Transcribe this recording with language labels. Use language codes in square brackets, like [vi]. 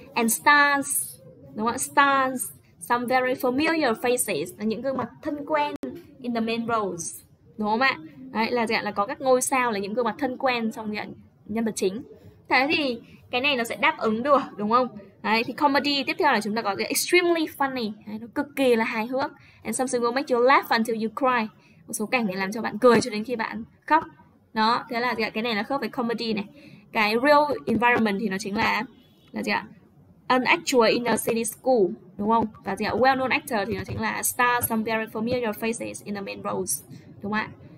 [en] And stars đúng không ạ? Stars, some very familiar faces [vi] là những gương mặt thân quen [en] in the main roles [vi] đúng không ạ? Đấy, là dạng là có các ngôi sao là những gương mặt thân quen trong nhận nhân vật chính. Thế thì cái này nó sẽ đáp ứng được đúng không? Đấy, thì comedy tiếp theo là chúng ta có cái extremely funny, đấy, nó cực kỳ là hài hước. [en] And something will make you laugh until you cry. [vi] Một số cảnh để làm cho bạn cười cho đến khi bạn khóc. Đó, thế là gì ạ? Cái này là khớp với comedy này. Cái real environment thì nó chính là gì ạ? [en] An actual inner city school, [vi] đúng không? Và gì ạ? [en] Well-known actor [vi] thì nó chính là [en] star some very familiar faces in the main roles, đúng không ạ?